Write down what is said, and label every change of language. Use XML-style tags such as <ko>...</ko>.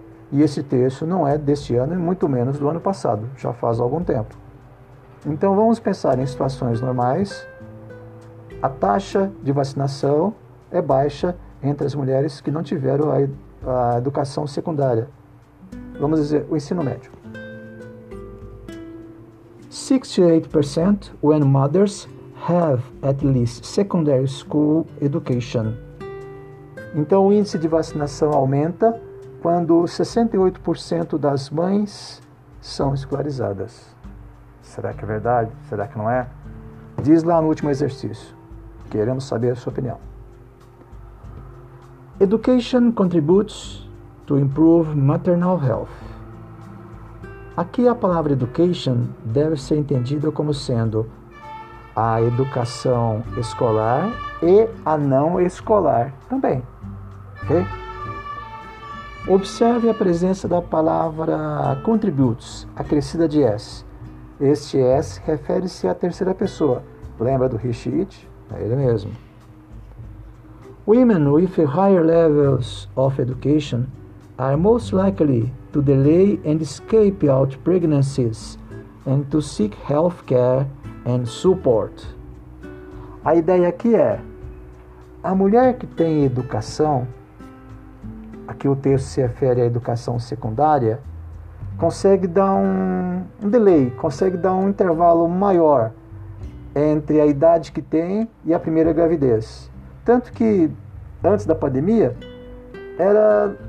<pt>E esse texto não é deste ano e muito menos do ano passado, já faz algum tempo. Então vamos pensar em situações normais. A taxa de vacinação é baixa entre as mulheres que não tiveram a educação secundária. Vamos dizer, o ensino médio.</pt> <en>68% when mothers have at least secondary school education.</en> <pt>Então o índice de vacinação aumenta quando 68% das mães são escolarizadas. Será que é verdade? Será que não é? Diz lá no último exercício. Queremos saber a sua opinião.</pt> <en>Education contributes to improve maternal health.</en> <pt>Aqui a palavra education deve ser entendida como sendo a educação escolar e a não escolar também, ok? Observe a presença da palavra contributes, acrescida de S. Este S refere-se à terceira pessoa. Lembra do Richard? É ele mesmo.</pt> <en>Women with higher levels of education are most likely to delay and escape out pregnancies and to seek health care and support.</en> <pt>A ideia aqui é, a mulher que tem educação, aqui o texto se refere à educação secundária, consegue dar um delay, consegue dar um intervalo maior entre a idade que tem e a primeira gravidez. Tanto que, antes da pandemia, era</pt>